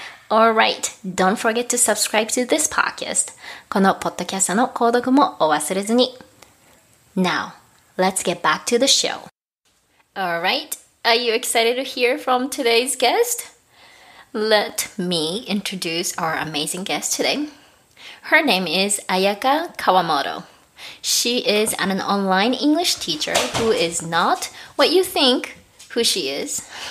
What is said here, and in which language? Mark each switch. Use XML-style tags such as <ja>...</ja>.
<en>Alright, don't forget to subscribe to this podcast.</en> <ja>このポッドキャストの購読もお忘れずに。</ja> <en>Now, let's get back to the show. Alright, are you excited to hear from today's guest? Let me introduce our amazing guest today. Her name is Ayaka Kawamoto. She is an online English teacher who is not what you think who she is.</en>